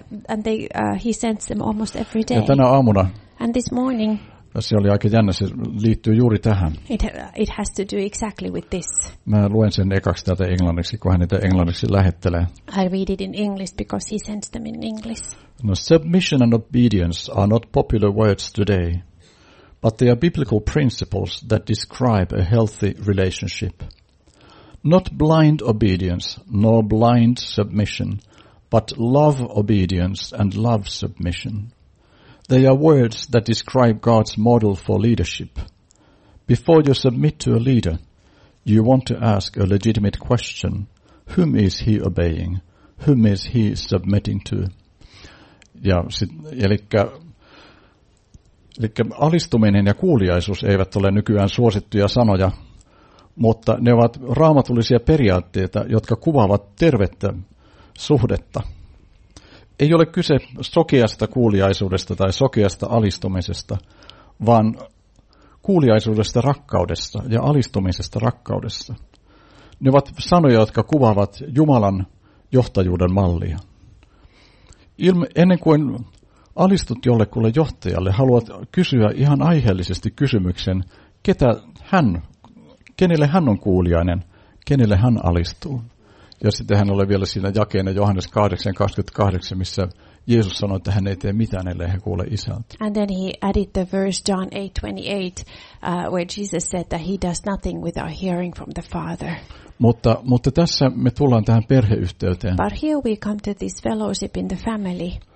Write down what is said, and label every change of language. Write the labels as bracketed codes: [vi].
[en] And they, he sends them almost every day. [fi] Ja tänä aamuna. [en] And this morning. [fi] Se oli aika jännä, se liittyy juuri tähän. [en] It has to do exactly with this. [fi] Mä luen sen ekaksi täältä englanniksi, kun hän niitä englanniksi lähettelee. [en] I read it in English because he sends them in English. No, submission and obedience are not popular words today, but they are biblical principles that describe a healthy relationship. Not blind obedience, nor blind submission, but love obedience and love submission. They are words that describe God's model for leadership. Before you submit to a leader, you want to ask a legitimate question. Whom is he obeying? Whom is he submitting to? [fi] Ja elikkä alistuminen ja kuuliaisuus eivät ole nykyään suosittuja sanoja. Mutta ne ovat raamatullisia periaatteita, jotka kuvaavat tervettä suhdetta. Ei ole kyse sokeasta kuuliaisuudesta tai sokeasta alistumisesta, vaan kuuliaisuudesta rakkaudessa ja alistumisesta rakkaudessa. Ne ovat sanoja, jotka kuvaavat Jumalan johtajuuden mallia. Ennen kuin alistut jollekulle johtajalle, haluat kysyä ihan aiheellisesti kysymyksen, ketä hän kenelle hän on kuulijainen kenelle hän alistuu. Ja sitten hän oli vielä siinä jakeena Johannes 8:28, missä Jeesus sanoi, että hän ei tee mitään, ellei hän kuule isältä. [en] And then he added the verse John 8:28, where Jesus said that he does nothing without hearing from the Father. [fi] Mutta tässä me tullaan tähän perheyhteyteen. [en] But here we come to this fellowship in the family.